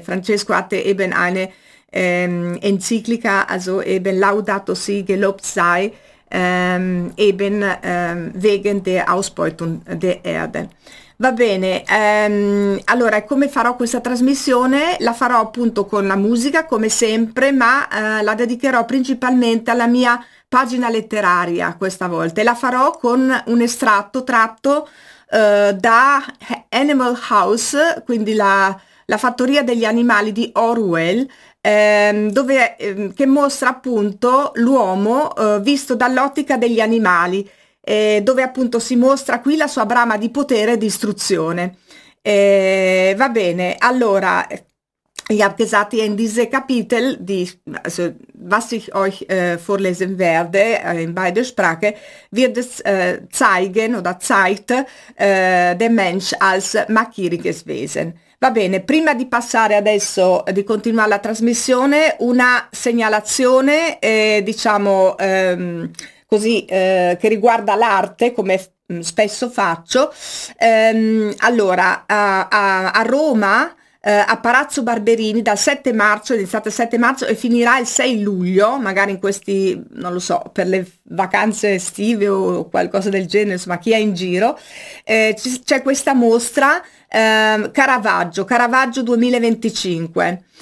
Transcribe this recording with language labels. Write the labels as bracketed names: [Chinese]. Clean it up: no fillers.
[German] Francesco hatte eben eine Enciclica, also eben Laudato Si, gelobt sei, eben wegen der Ausbeutung der Erde. [Italian] Va bene, allora, come farò questa trasmissione? La farò appunto con la musica, come sempre, ma la dedicherò principalmente alla mia pagina letteraria questa volta, e la farò con un estratto tratto da Animal House, quindi la fattoria degli animali di Orwell, che mostra appunto l'uomo visto dall'ottica degli animali, dove appunto si mostra qui la sua brama di potere e di istruzione. Va bene, allora, [German] Ich habe gesagt, in diesem Kapitel, also was ich euch vorlesen werde in beide Sprachen, wird es zeigen oder zeigt den Mensch als machiriges Wesen. [Italian] Va bene, prima di passare adesso, di continuare la trasmissione, una segnalazione, diciamo così, che riguarda l'arte, come spesso faccio. Allora, a Roma, a Palazzo Barberini, dal 7 marzo, è iniziato il 7 marzo e finirà il 6 luglio, magari in questi, non lo so, per le vacanze estive o qualcosa del genere, insomma, chi è in giro, c'è questa mostra Caravaggio 2025.